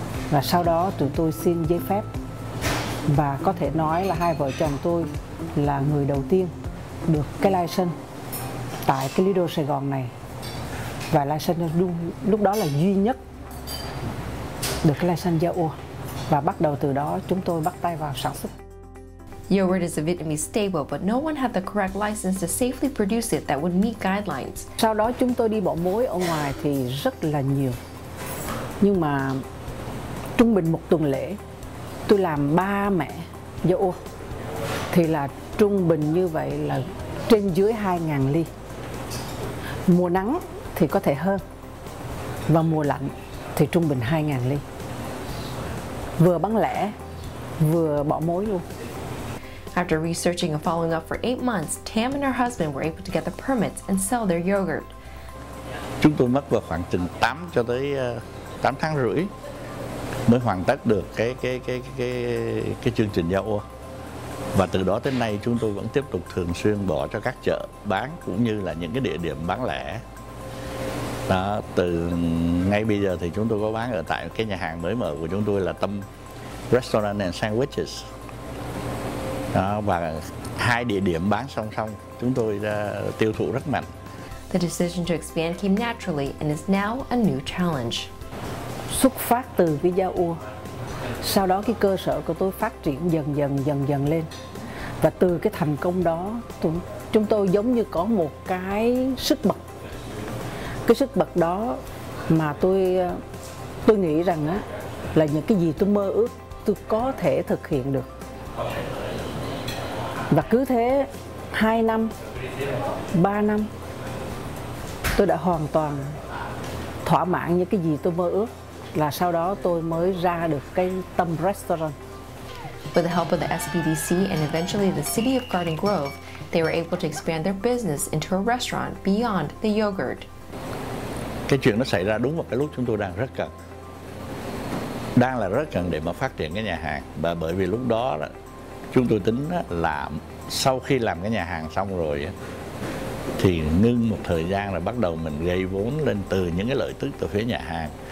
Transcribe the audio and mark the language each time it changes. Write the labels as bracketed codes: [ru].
[vi] Và sau đó tụi tôi xin giấy phép. Và có thể nói là hai vợ chồng tôi là người đầu tiên được cái license tại cái Lido Sài Gòn này. Và license lúc đó là duy nhất được cái license yaua. Và bắt đầu từ đó chúng tôi bắt tay vào sản xuất. [en] Yogurt is a Vietnamese staple, but no one had the correct license to safely produce it that would meet guidelines. [vi] Sau đó chúng tôi đi bỏ mối ở ngoài thì rất là nhiều. Nhưng mà trung bình một tuần lễ tôi làm 3 mẻ yaua. Thì là trung bình như vậy là trên dưới 2.000 ly. Mùa nắng thì có thể hơn và mùa lạnh thì trung bình 2.000 ly. Vừa bán lẻ, vừa bỏ mối luôn. [en] After researching and following up for 8 months, Tam and her husband were able to get the permits and sell their yogurt. [vi] Chúng tôi mất vào khoảng chừng 8 cho tới 8 tháng rưỡi mới hoàn tất được cái chương trình yaua. Và từ đó tới nay chúng tôi vẫn tiếp tục thường xuyên bỏ cho các chợ bán cũng như là những cái địa điểm bán lẻ. Đó, từ ngay bây giờ thì chúng tôi có bán ở tại cái nhà hàng mới mở của chúng tôi là Tâm Restaurant and Sandwiches. Đó, và hai địa điểm bán song song chúng tôi tiêu thụ rất mạnh. [en] The decision to expand came naturally and is now a new challenge. [vi] Xuất phát từ cái yaua. Sau đó cái cơ sở của tôi phát triển dần dần lên. Và từ cái thành công đó, chúng tôi giống như có một cái sức bật. Cái sức bật đó mà tôi nghĩ rằng á, là những cái gì tôi mơ ước tôi có thể thực hiện được. Và cứ thế 2 năm, 3 năm tôi đã hoàn toàn thỏa mãn những cái gì tôi mơ ước. Là sau đó tôi mới ra được cái Tâm Restaurant. [en] With the help of the SBDC and eventually the city of Garden Grove, they were able to expand their business into a restaurant beyond the yogurt. [vi] Cái chuyện nó xảy ra đúng vào cái lúc chúng tôi đang rất cần. Đang là rất cần để mà phát triển cái nhà hàng. Và bởi vì lúc đó chúng tôi tính là sau khi làm cái nhà hàng xong rồi thì ngưng một thời gian rồi bắt đầu mình gây vốn lên từ những cái lợi tức từ phía nhà hàng.